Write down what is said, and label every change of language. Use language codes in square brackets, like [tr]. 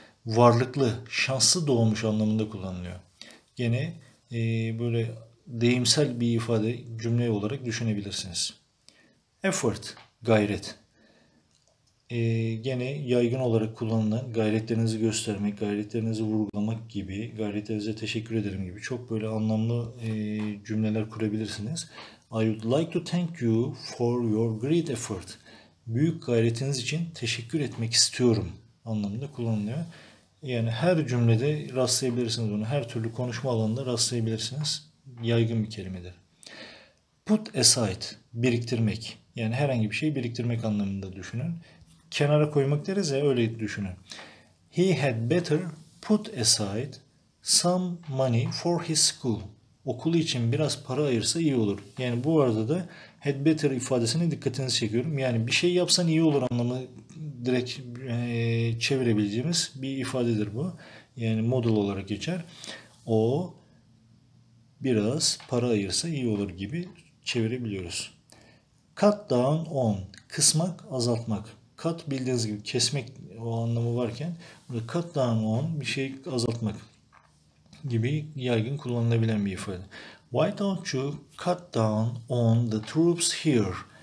[tr] Varlıklı, şanslı doğmuş anlamında kullanılıyor. Gene böyle deyimsel bir ifade cümle olarak düşünebilirsiniz. Effort, gayret. Gene yaygın olarak kullanılan gayretlerinizi göstermek, gayretlerinizi vurgulamak gibi, gayretlerinize teşekkür ederim gibi çok böyle anlamlı cümleler kurabilirsiniz. [en] I would like to thank you for your great effort. [tr] Büyük gayretiniz için teşekkür etmek istiyorum anlamında kullanılıyor. Yani her cümlede rastlayabilirsiniz bunu, her türlü konuşma alanında rastlayabilirsiniz. Yaygın bir kelimedir. Put aside, biriktirmek. Yani herhangi bir şeyi biriktirmek anlamında düşünün. Kenara koymak deriz ya, öyle düşünün. [en] He had better put aside some money for his school. [tr] Okulu için biraz para ayırsa iyi olur. Yani bu arada da better ifadesine dikkatinizi çekiyorum. Yani bir şey yapsan iyi olur anlamı direkt çevirebileceğimiz bir ifadedir bu. Yani modal olarak geçer. O biraz para ayırsa iyi olur gibi çevirebiliyoruz. Cut down on, kısmak, azaltmak. Cut bildiğiniz gibi kesmek o anlamı varken, cut down on, bir şey azaltmak gibi yaygın kullanılabilen bir ifade. [en] Why don't you cut down on the troops here?